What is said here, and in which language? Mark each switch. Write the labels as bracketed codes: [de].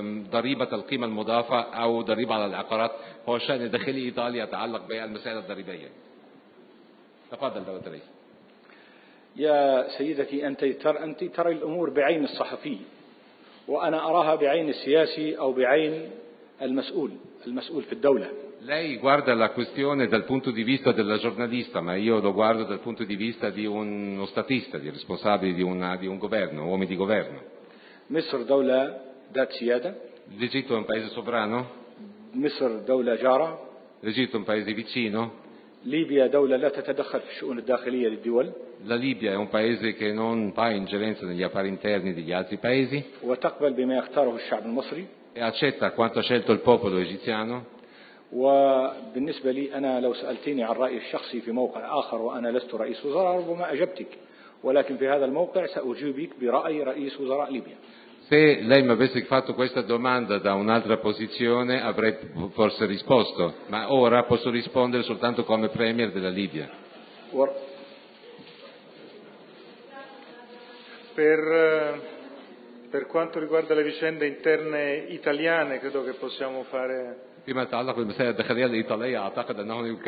[ar] ضريبة القيمة المضافة أو ضريبة على العقارات؟ هو شأن داخلي إيطاليا يتعلق بالمسائل الضريبية. تفضل دولة الرئيس. يا سيدتي، أنت ترى الأمور بعين الصحفي، وأنا أراها بعين السياسي أو بعين المسؤول في الدولة. [it] Lei guarda la questione dal punto di vista della giornalista, ma io lo guardo dal punto di vista di uno statista, di responsabile di un governo, uomo di governo. [ar] Misr dawla dat siyada. [it] L'Egitto è un paese sovrano. [ar] Misr dawla jara. [it] L'Egitto è un paese vicino. [ar] Libia dawla la tatadakhal fi shu'un al-dakhiliya lid-dawl. [it] La Libia è un paese che non fa ingerenza negli affari interni degli altri paesi. [ar] Wa taqbal bima yakhtaruhu ash-sha'b al-masri. [it] E accetta quanto ha scelto il popolo egiziano. [ar] وبالنسبة لي أنا لو سألتني عن رأيي الشخصي في موقع آخر وأنا لست رئيس وزراء ربما أجبتك، ولكن في هذا الموقع سأجيبك برأي رئيس وزراء ليبيا. [it] Se lei mi avesse fatto questa domanda da un'altra posizione avrei forse risposto, ma ora posso rispondere soltanto come premier della Libia. Per quanto riguarda le vicende interne italiane credo che possiamo fare. [ar] فيما يتعلق بالمسائل الداخلية الإيطالية أعتقد أنه